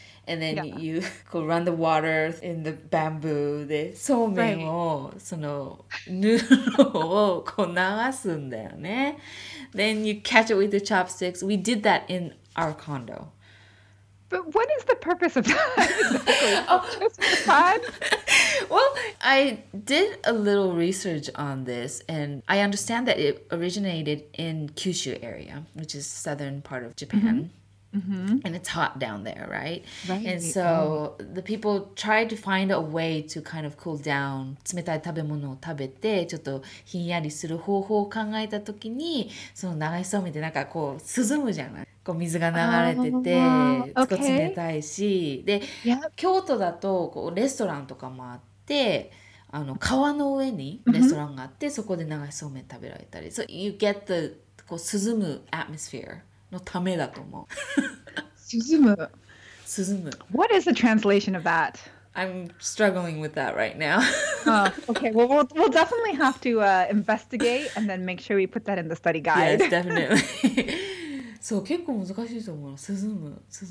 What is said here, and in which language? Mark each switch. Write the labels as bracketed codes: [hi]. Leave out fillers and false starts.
[en] And then you go run the water in the bamboo. [ja] で、そうめんをそのヌードルをこう流すんだよね。 [en] Then you catch it with the chopsticks. We did that in our condo. But what is the purpose of that? Just for fun? Well, I did a little research on this, and I understand that it originated in Kyushu area, which is southern part of Japan. And it's hot down there, right? And so the people tried to find a way to kind of cool down. [ja] 冷たい食べ物を食べてちょっとひんやりする方法を考えた時に、その流しそうめんってなんかこう涼むじゃない？こう水が流れてて、ちょっと冷たいし、で、京都だとこうレストランとかもあって、あの川の上にレストランがあって、そこで流しそうめん食べられたり、 [en] So you get the [ja] こう涼む [en] atmosphere. [ja] のためだと思う。 [en] 涼む。What is the translation of that? I'm struggling with that right now. Okay, well, we'll definitely have to investigate and then make sure we put that in the study guide. Yes, definitely. [ja] そう、結構難しいと思う。涼む。